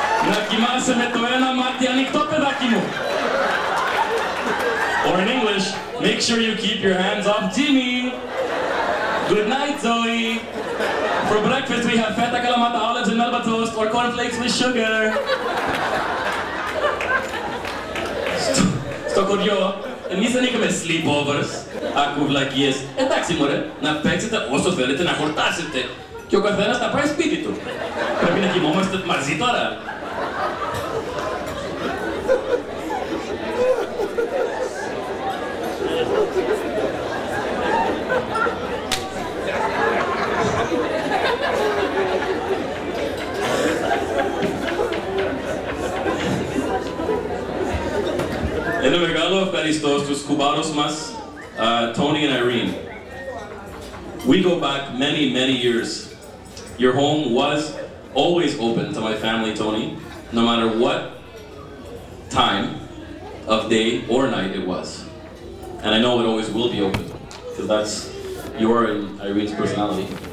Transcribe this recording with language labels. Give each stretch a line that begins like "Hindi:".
Greek: Να κοιμάσαι με το ένα μάτι ανοιχτό, παιδάκι μου."
English: Or in English, "Make sure you keep your hands off Jimmy. Good night, Zoe. For breakfast, we have feta, kalamata, olives, and Melba toast, or cornflakes with sugar."
Greek: Στο χωριό, εμείς δεν είχαμε sleepovers, ακουβλακίες. Εντάξει, μωρέ, να παίξετε όσο θέλετε, να χορτάσετε. Και ο καθένας θα πάει σπίτι του. Πρέπει να κοιμόμαστε μαζί τώρα. Ένα μεγάλο ευχαριστώ στους κουμπάρους μας, Tony and Irene.
English: We go back many, many years. Your home was always open to my family, Tony, no matter what time of day or night it was. And I know it always will be open, because that's your and Irene's personality.